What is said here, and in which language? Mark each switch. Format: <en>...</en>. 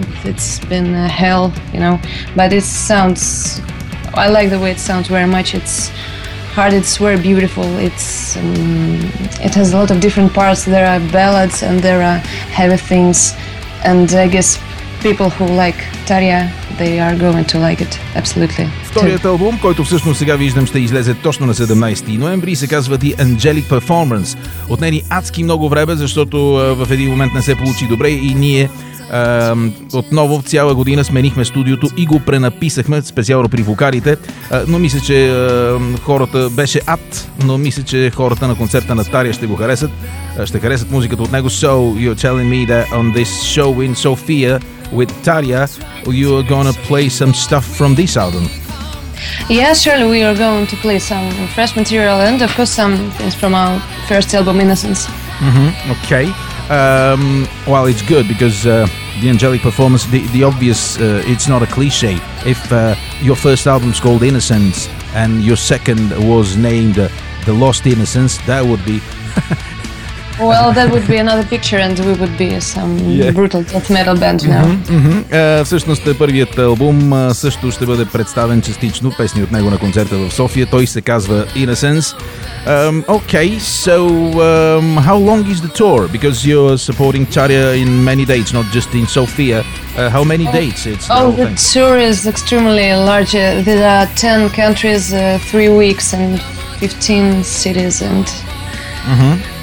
<en>It's been a hell, you know, but it sounds, I like the way it sounds very much. It's hard, it's very beautiful. It's it has a lot of different parts. There are ballads and there are heavy things, and I guess people who like Tarja, they are going to like it, absolutely.</en> <bg>Вторият албум, който всъщност сега виждам, ще излезе точно на 17 ноември, се казва The Angelic Performance. Отнени адски много време, защото в един момент не се получи добре и ние отново цяла година сменихме студиото и го пренаписахме специално при вокалите, но мисля, че хората беше ад, но мисля, че хората на концерта на Тария ще го харесат, ще харесат музиката от него.</bg> <en>So you're telling me that on this show in Sofia with Tarja, you are gonna play some stuff from this album? Yeah, surely we are going to play some fresh material and of course some things from our first album Innocence. Mm-hmm. Okay. Well, it's good because the Angelic Performance, the obvious, it's not a cliche. If your first album's called Innocence and your second was named The Lost Innocence, that would be... Well, that would be another picture and we would be brutal death metal band now. Mm-hmm, mm-hmm.</en> <bg>Всъщност, първият албум също ще бъде представен частично, песни от него на концерта в София. Той се казва Innocence.</bg> <en>Okay, so how long is the tour? Because you're supporting Tarja in many dates, not just in Sofia. How many dates? It's the tour is extremely large. There are 10 countries, 3 weeks and 15 cities. And mm-hmm.</en>